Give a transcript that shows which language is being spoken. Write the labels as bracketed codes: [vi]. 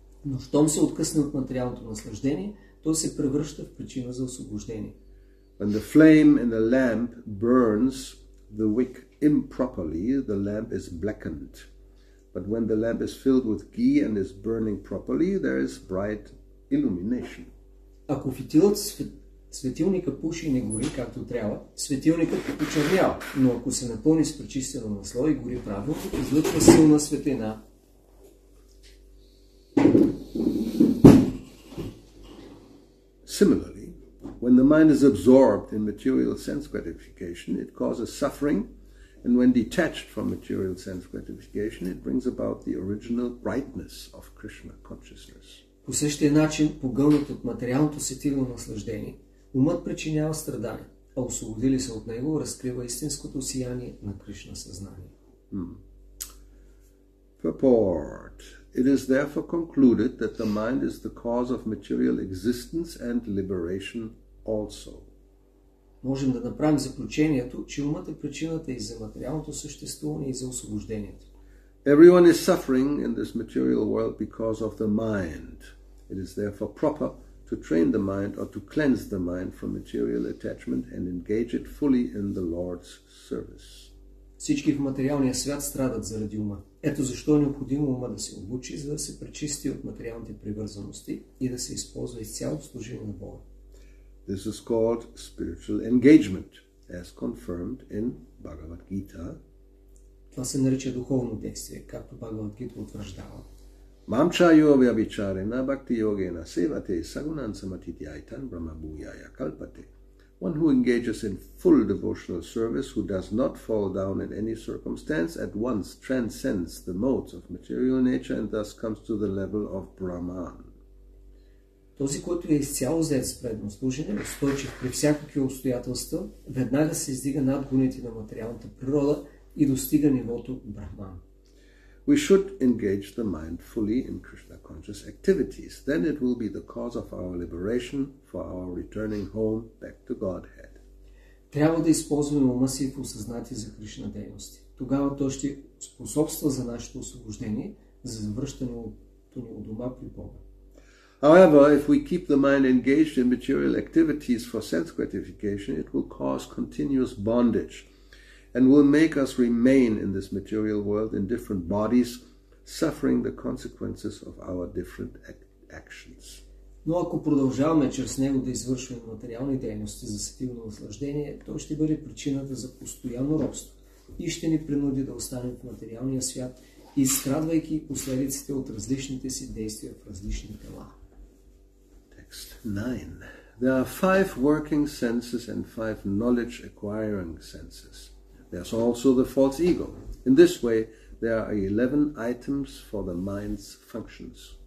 [bg] Но щом се откъсне от материалното наслаждение, то се превръща в причина за освобождение. [en] When the flame in the lamp burns the wick improperly, the lamp is blackened. But when the lamp is filled with ghee and is burning properly, there is bright illumination. [bg] Ако фитилът светилника пуши и не гори както трябва, светилникът почернява, но ако се напълни с пречистено масло и гори правилно, излъчва силна светлина. [en] Similarly, when the mind is absorbed in material sense gratification, it causes suffering, and when detached from material sense gratification, it brings about the original brightness of Krishna consciousness. [bg] По същия начин, погълнат от материалното сетивно наслаждение, умът причинява страдания, а освободили се от него, разкрива истинското сияние на Кришна съзнание. [en] Purport. It is therefore concluded that the mind is the cause of material existence and liberation also. [bg] Можем да направим заключението, че умът е причината и за материалното съществуване и за освобождението. [en] Everyone is suffering in this material world because of the mind. It is therefore proper to train the mind or to cleanse the mind from material attachment and engage it fully in the Lord's service. [bg] Всички в материалния свят страдат заради ума. Ето защо е необходимо ума да се обучи, за да се пречисти от материалните привързаности и да се използва изцяло в служение на Бога. [en] This is called spiritual engagement, as confirmed in Bhagavad Gita. [bg] Това се нарича духовно действие, както Бхагавад Гита утвърждава. [sa] Мамча йо вябичаре на бхакти йоге на севате сагунан саматити айтан брама буяя калпате. [en] One who engages in full devotional service, who does not fall down in any circumstance, at once transcends the modes of material nature and thus comes to the level of Brahman. [bg] Този, който е изцяло зает с предно служене, устойчив при всякакви обстоятелства, веднага се издига над гоните на материалната природа и достига нивото Брахман. [en] We should engage the mind fully in Krishna conscious activities. Then it will be the cause of our liberation for our returning home back to Godhead. [bg] Трябва да използваме ума си в осъзнати за Кришна дейности. Тогава то ще способства за нашето освобождение, за завръщането ни от дома при Бога. [en] However, if we keep the mind engaged in material activities for sense gratification, it will cause continuous bondage and will make us remain in this material world in different bodies, suffering the consequences of our different actions. [bg] Но ако продължаваме чрез него да извършваме материални дейности за сетивно наслаждение, то ще бъде причината за постоянно робство и ще ни принуди да останем в материалния свят, изстрадвайки последиците от различните си действия в различни тела. [en] Text 9. There are 5 working senses and 5 knowledge acquiring senses. There's also the false ego. In this way, there are 11 items for the mind's functions.